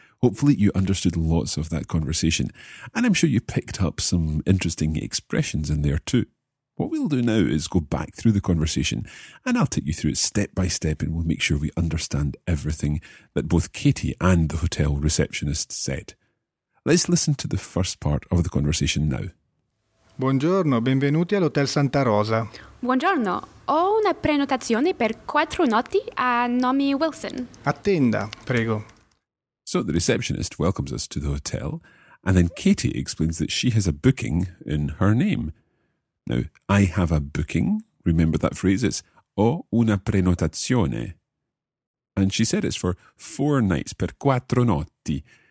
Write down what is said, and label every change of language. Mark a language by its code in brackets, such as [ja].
[en] Hopefully you understood lots of that conversation, and I'm sure you picked up some interesting expressions in there too. What we'll do now is go back through the conversation and I'll take you through it step by step and we'll make sure we understand everything that both Katie and the hotel receptionist said. Let's listen to the first part of the conversation now. [it] Buongiorno, benvenuti all'Hotel Santa Rosa. Buongiorno, ho una prenotazione per 4 notti a nome Wilson. Attenda, prego. [en] So the receptionist welcomes us to the hotel and then Katie explains that she has a booking in her name. Now, I have a booking. Remember that phrase? It's [it] ho una prenotazione. [en] And she said it's for 4 nights, [it] per 4 notti.